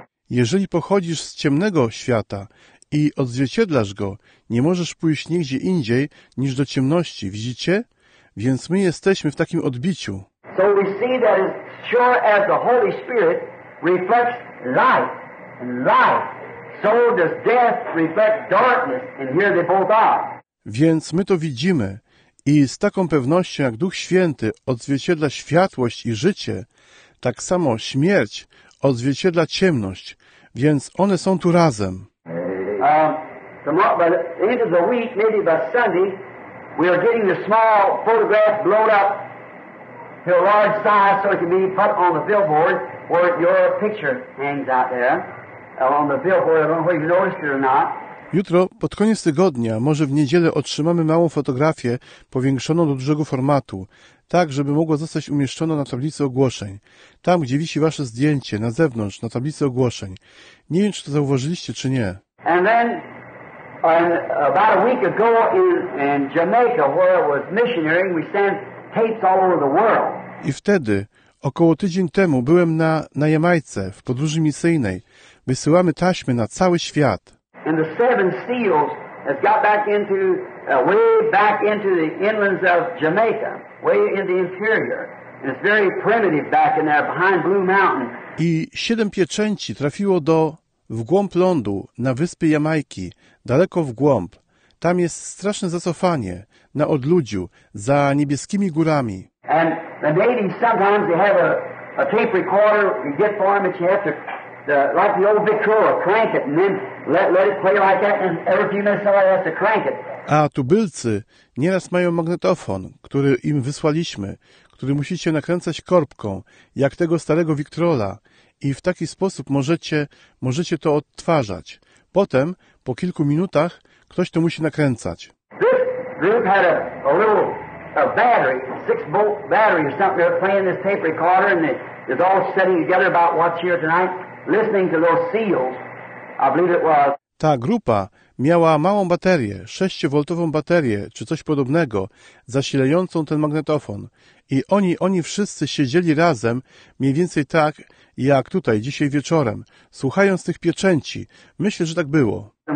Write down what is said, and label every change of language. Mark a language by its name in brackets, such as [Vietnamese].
[Polish] Jeżeli pochodzisz z ciemnego świata i odzwierciedlasz go, nie możesz pójść nigdzie indziej niż do ciemności, widzicie? Więc my jesteśmy w takim odbiciu. [English] So we see that as sure as the Holy Spirit reflects light and life, so does death reflect darkness, and here they both are. [Polish] Więc my to widzimy i z taką pewnością, jak Duch Święty odzwierciedla światłość i życie, tak samo śmierć odzwierciedla ciemność, więc one są tu razem. [English] By the end of the week, maybe by Sunday, we are getting the small photograph blown up to a large size so it can be put on the billboard where your picture hangs out there on the billboard. I don't know if you noticed it or not. [Polish] Jutro, pod koniec tygodnia, może w niedzielę, otrzymamy małą fotografię powiększoną do dużego formatu, tak, żeby mogła zostać umieszczona na tablicy ogłoszeń. Tam, gdzie wisi wasze zdjęcie, na zewnątrz, na tablicy ogłoszeń. Nie wiem, czy to zauważyliście, czy nie. [English] And then, about a week ago in Jamaica, where it was missionary, we sent tapes all over the world. [Polish] I wtedy, około tydzień temu, byłem na Jamajce, w podróży misyjnej. Wysyłamy taśmy na cały świat. [English] And the seven seals has got back into, way back into the inlands of Jamaica, way in the interior. And it's very primitive back in there behind Blue Mountain. [Polish] I siedem pieczęci trafiło do, w głąb lądu, na wyspy Jamajki, daleko w głąb. Tam jest straszne zacofanie, na odludziu, za niebieskimi górami. [English] And the Navy, sometimes they have a tape recorder you get for them, but you have to, like the old Victrola, crank it, and then let it play like that, and every few minutes somebody has to crank it. [Polish] A tubylcy nieraz mają magnetofon, który im wysłaliśmy, który musicie nakręcać korbką, jak tego starego Victrola, i w taki sposób możecie to odtwarzać. Potem, po kilku minutach, ktoś to musi nakręcać. [English] This group had a battery, a 6-volt battery or something. They're playing this tape recorder, and it's all sitting together about what's here tonight. Listening to those seals, I believe it was. [Polish] Ta grupa miała małą baterię, 6-voltową baterię, czy coś podobnego, zasilającą ten magnetofon. I oni wszyscy siedzieli razem, mniej więcej tak, jak tutaj, dzisiaj wieczorem, słuchając tych pieczęci. Myślę, że tak było.